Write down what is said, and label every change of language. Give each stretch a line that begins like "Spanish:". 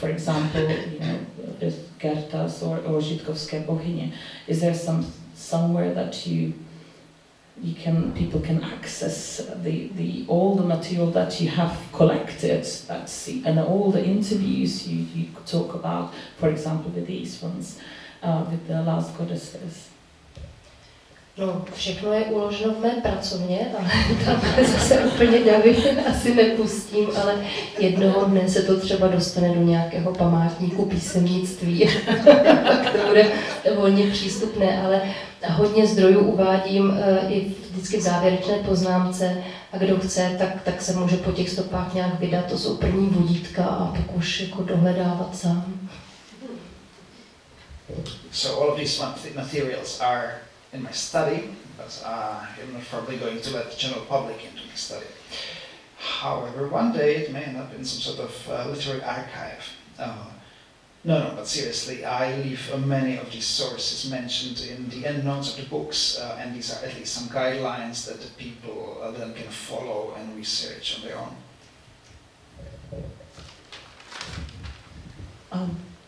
English: For example, you know, with Gerta's or Žitkovské bohyně, is there somewhere that people can access the all the material that you have collected, that's the, and all the interviews you talk about, for example, with these ones, with the last goddesses?
Czech: No, všechno je uloženo v mé pracovně, ale tam se úplně asi nepustím, ale jednoho dne se to třeba dostane do nějakého památníku písemnictví, tak to bude volně přístupné, ale hodně zdrojů uvádím i vždycky v závěrečné poznámce, a kdo chce, tak se může po těch stopách nějak vydat, to jsou první vodítka, a pak už jako dohledávat sám.
English: So all of these materials are in my study, but I'm not probably going to let the general public into my study. However, one day it may end up in some sort of literary archive. No, but seriously, I leave many of these sources mentioned in the end notes of the books, and these are at least some guidelines that the people then can follow and research on their own.